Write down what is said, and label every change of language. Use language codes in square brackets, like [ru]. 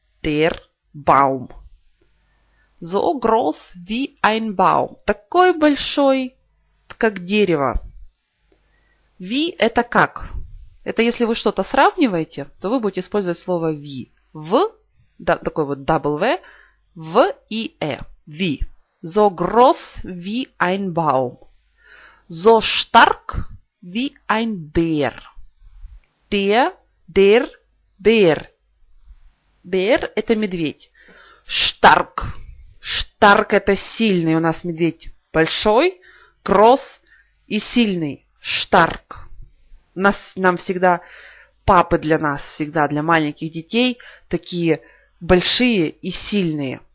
[de] Der Baum. So groß wie ein Baum. [ru] Такой большой, как дерево. Wie – это как. Это если вы что-то сравниваете, то вы будете использовать слово wie. В, да, такой вот W – В и Э. Ви. [de] so groß wie ein Baum, so stark wie ein Bär. Der, der Bär. [ru] Bär – это медведь. [de] Stark. [ru] Stark – это сильный у нас медведь. Большой, groß и сильный. [de] Stark. [ru] Нам всегда папы для нас, всегда для маленьких детей, такие большие и сильные.